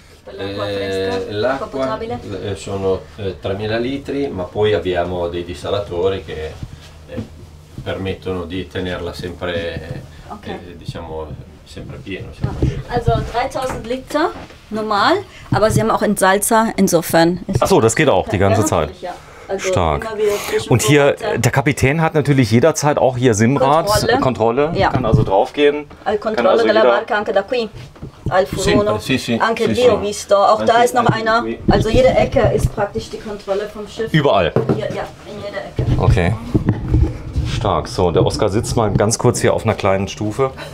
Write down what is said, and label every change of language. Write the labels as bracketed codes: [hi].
[it] L'acqua sono 3000 litri, ma poi abbiamo dei dissalatori che permettono di tenerla sempre, diciamo, sempre pieno. [de] Also 3000 Liter normal, aber sie haben auch Entsalzer, insofern. Achso, das geht auch die ganze Zeit. Also stark. Und hier, der Kapitän hat natürlich jederzeit auch hier SIM-Rad, Kontrolle. Ja. Kann also draufgehen. [it] Al controllo della barca, anche da qui. [de] Al furono. [it] Anche lì ho visto. [de] Auch da ist noch einer. Also jede Ecke ist praktisch die Kontrolle vom Schiff. Überall? Ja, in jeder Ecke. Okay. Stark. So, der Oskar sitzt mal ganz kurz hier auf einer kleinen Stufe.